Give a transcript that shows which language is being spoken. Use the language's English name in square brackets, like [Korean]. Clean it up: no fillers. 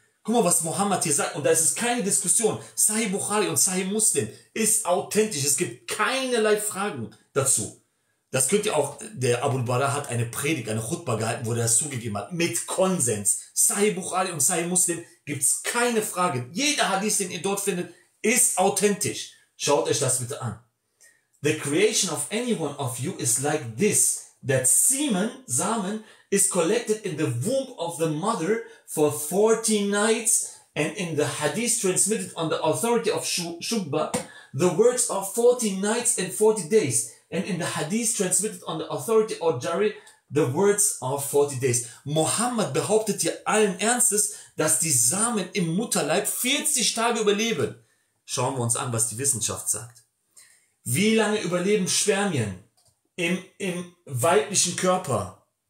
[German] Guck mal, was Mohammed hier sagt. Und da ist es keine Diskussion. Sahih Bukhari und Sahih Muslim ist authentisch. Es gibt keinerlei Fragen dazu. Das könnt ihr auch, der Abu Bara hat eine Predigt, eine Khutba gehalten, wo er das zugegeben hat. Mit Konsens. Sahih Bukhari und Sahih Muslim gibt es keine Frage. Jeder Hadith, den ihr dort findet, ist authentisch. Schaut euch das bitte an. [English] The creation of any one of you is like this. That semen, Samen, is collected in the womb of the mother for 40 nights and in the hadith transmitted on the authority of Shubba, the words are 40 nights and 40 days. And in the hadith transmitted on the authority of Jari, the words are 40 days. [German] Muhammad behauptet hier allen Ernstes, dass die Samen im Mutterleib 40 Tage überleben. Schauen wir uns an, was die Wissenschaft sagt. Wie lange überleben Spermien im weiblichen Körper?